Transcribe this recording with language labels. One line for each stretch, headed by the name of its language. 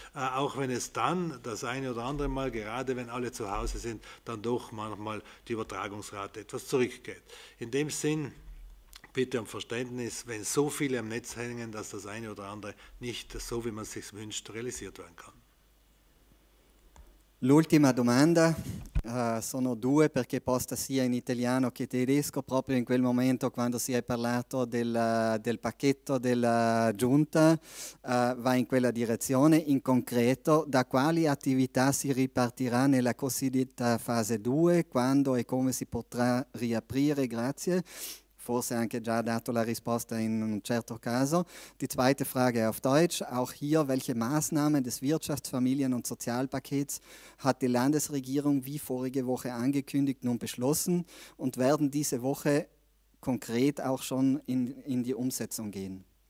German: Auch wenn es dann das eine oder andere Mal, gerade wenn alle zu Hause sind, dann doch manchmal die Übertragungsrate etwas zurückgeht. In dem Sinn, bitte um Verständnis, wenn so viele am Netz hängen, dass das eine oder andere nicht so, wie man es sich wünscht, realisiert werden kann.
Italian: L'ultima domanda, sono due perché posta sia in italiano che tedesco, proprio in quel momento quando si è parlato del pacchetto della giunta, va in quella direzione. In concreto, da quali attività si ripartirà nella cosiddetta fase 2, quando e come si potrà riaprire? Grazie. Forse anche già dato la risposta in un certo caso.
German: Die zweite Frage auf Deutsch. Auch hier, welche Maßnahmen des Wirtschafts-, Familien- und Sozialpakets hat die Landesregierung wie vorige Woche angekündigt nun beschlossen und werden diese Woche konkret auch schon in die Umsetzung gehen?